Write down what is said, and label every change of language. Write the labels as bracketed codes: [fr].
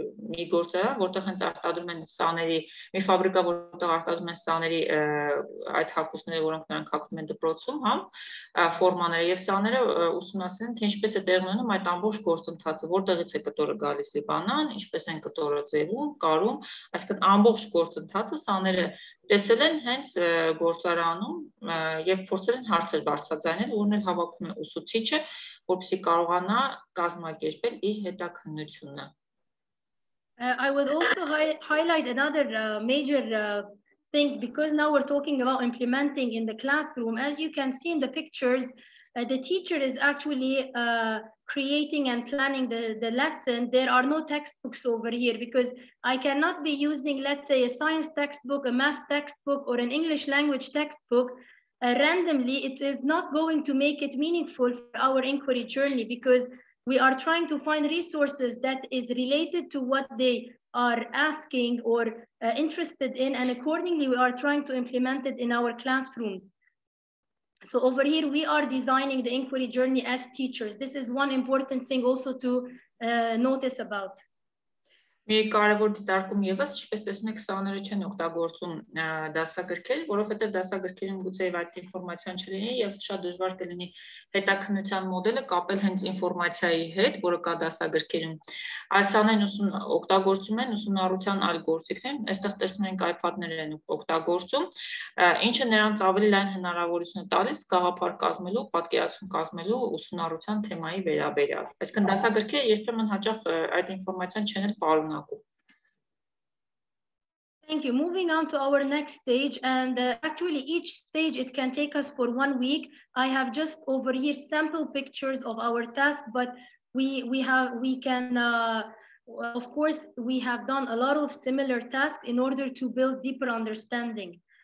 [hy] մի գործարան, որտեղ հենց արտադրում են սաների, մի ֆաբրիկա, որտեղ արտադրում են սաների այդ հագուստները, որոնք նրանք հագնում են դպրոցում, հա, ֆորմաները եւ սաները ուսումնասիրեն, թե ինչպես է տեղ ունենում այդ ամբողջ գործընթացը, որտեղից է կտորը գալիս Լիբանան, ինչպես են կտորը ձևում, կարում, այսինքն ամբողջ գործընթացը սաները տեսել են հենց գործարանում եւ փորձել են հարցեր բարձրաձայնել, որն էլ հավաքում է ուսուցիչը, որպեսզի կարողանա կազմակերպել իր հետաքննությունը։ [en] I would also highlight another major thing, because now we're talking about implementing in the classroom. As you can see in the pictures, the teacher is actually creating and planning the lesson. There are no textbooks over here because I cannot be using, let's say, a science textbook, a math textbook, or an English language textbook randomly. It is not going to make it meaningful for our inquiry journey, because we are trying to find resources that is related to what they are asking or interested in, and accordingly we are trying to implement it in our classrooms. So over here we are designing the inquiry journey as teachers. This is one important thing also to notice about. [hy] Մի կարևոր դիտարկում եւս, ինչպես տեսնում եք, սաները չեն օգտագործում դասագրքեր, որովհետեւ դասագրքերում գուցե եւ այդ ինֆորմացիան չլինի եւ շատ դժվար կլինի հետաքննության մոդելը կապել հենց ինֆորմացիայի հետ, որը կա դասագրքերում։ Այս սաներն օգտագործում են ուսումնառության այլ գործիքներ, այստեղ տեսնում ենք iPad-ներ են օգտագործում, ինչը նրանց ավելի լայն հնարավորություն է տալիս գաղափար կազմելու, պատկերացում կազմելու ուսումնառության թեմայի վերաբերյալ։ Այսինքն դասագրքերը երբեմն հաճախ այդ ինֆորմացիան չեն էլ [en] Thank you. Moving on to our next stage, and actually each stage, it can take us for 1 week. I have just over here sample pictures of our task, but we have done a lot of similar tasks in order to build deeper understanding.